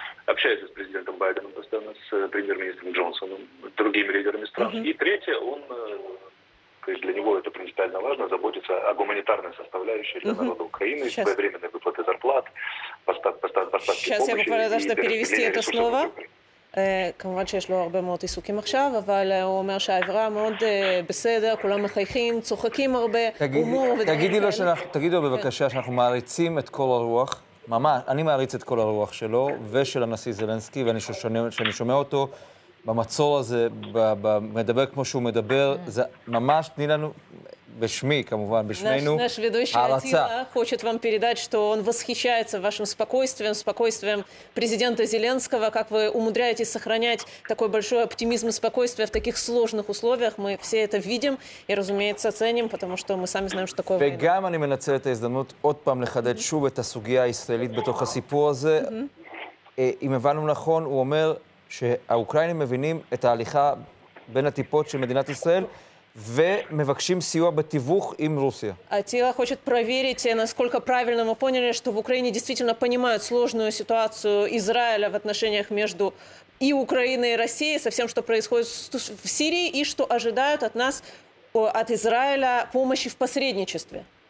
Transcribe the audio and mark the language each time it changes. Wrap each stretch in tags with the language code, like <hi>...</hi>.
<ru>Общается с президентом Байденом постоянно, с премьер-министром Джонсоном, другими лидерами стран. И третье, он, то есть для него это принципиально важно, заботится о гуманитарной составляющей для народа Украины, своевременной выплаты зарплат, поставки сейчас помощи. Сейчас я попробую даже перевести это слово.</ru> <he>כמובן שיש לו הרבה מאוד עיסוקים עכשיו, אבל הוא אומר שהעברה מאוד בסדר, כולם מחייכים, צוחקים הרבה, הומור ודברים. תגידי לו בבקשה שאנחנו מעריצים את כל הרוח, ממש, אני מעריץ את כל הרוח שלו ושל הנשיא זלנסקי, ואני שומע אותו במצור הזה, מדבר כמו שהוא מדבר, זה ממש תני לנו... בשמי, כמובן, בשמנו,</he> <ru>наш ведущий Атила хочет вам передать, что он восхищается вашим спокойствием, спокойствием президента Зеленского, как вы умудряетесь сохранять такой большой оптимизм и спокойствие в таких сложных условиях. Мы все это видим и, разумеется, ценим, потому что мы сами знаем, что такое война.</ru> <he>וגם אני מנצל את ההזדמנות עוד פעם לחדד שוב את הסוגיה הישראלית בתוך הסיפור הזה. אם הבנו נכון, הוא אומר שהאוקראינים מבינים את ההליכה בין הטיפות של מדינת ישראל, ומבקשים סיוע בתיווך עם רוסיה.</he> <ru>Атила хочет проверить, насколько правильно мы поняли, что в Украине действительно понимают сложную ситуацию Израиля в отношениях между и Украиной, и Россией, со всем, что происходит в Сирии, и что ожидают от нас, от Израиля, помощи в посредничестве.</ru>